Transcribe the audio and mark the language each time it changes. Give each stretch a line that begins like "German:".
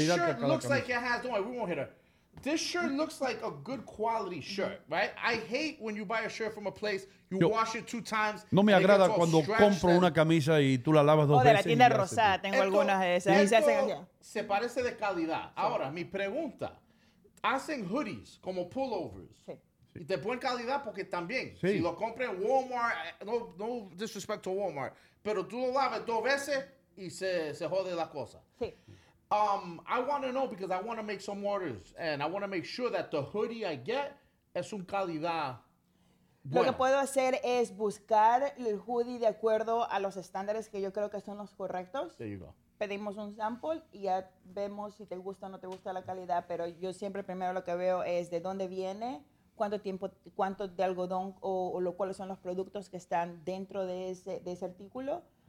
English: This shirt looks like it has, don't worry, we won't hit her. This shirt looks like a good quality shirt, right? I hate when you buy a shirt from a place, you yo, wash it two times.
Spanish: No me agrada cuando compro una camisa y tú la lavas dos veces. De la tienda rosada, tengo esto, algunas de esas. Esto se parece de calidad. Ahora, sí. mi pregunta, ¿hacen hoodies como pullovers? Sí. De buena calidad porque también, sí. si lo compras en Walmart,
English: no disrespect to Walmart,
Spanish: pero tú lo lavas dos veces y se jode la cosa. Sí.
English: I want to know because I want to make some orders and I want to make sure that the hoodie I get
Spanish: es un calidad. Bueno. Lo que puedo hacer es buscar el hoodie de acuerdo a los estándares que yo creo que son los correctos.
English: There you go.
Spanish: Pedimos un sample y ya vemos si te gusta o no te gusta la calidad, pero yo siempre primero lo que veo es de dónde viene, cuánto tiempo, cuánto de algodón o lo, cuáles son los productos que están dentro de ese artículo.